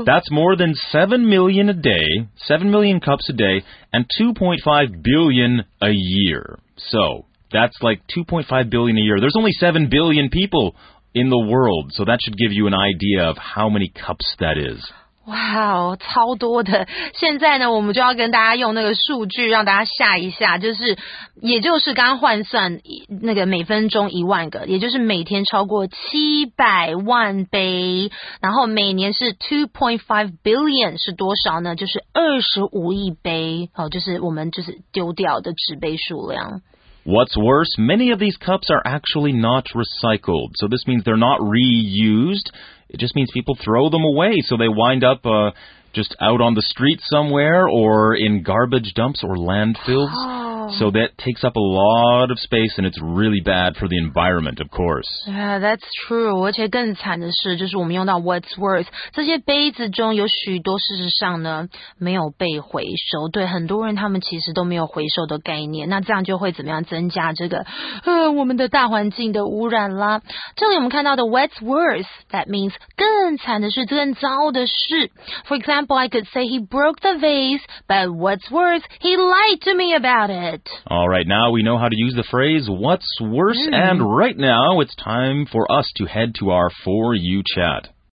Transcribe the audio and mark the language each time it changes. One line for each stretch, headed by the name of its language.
English: That's more than 7 million a day, 7 million cups a day, and 2.5 billion a year. So, that's like 2.5 billion a year. There's only 7 billion people in the world, so that should give you an idea of how many cups that is.
Chinese: Wow, 超多的。现在呢，我们就要跟大家用那个数据让大家吓一吓，就是也就是刚换算那个每分钟一万个，也就是每天超过700万杯，然后每年是 2.5 billion 是多少呢？就是25亿杯，哦，就是我们就是丢掉的纸杯数量。
English: What's worse, many of these cups are actually not recycled. So this means they're not reused. It just means people throw them away. So they wind up just out on the street somewhere or in garbage dumps or landfills. So that takes up a lot of space and it's really bad for the environment, of course. Yeah, that's true.
Chinese: 而且更惨的是，就是我们用到 what's worth. 这些杯子中有许多事实上呢，没有被回收。对，很多人他们其实都没有回收的概念。那这样就会怎么样增加这个，我们的大环境的污染啦。这里我们看到的 what's worth,
English: that means
Chinese: 更惨的是更糟的事。
English: For example, I could say he broke the vase, but what's worth, he lied to me about it. All right, now we know how to use the phrase what's worse, and right now it's time for us to head to our For You Chat.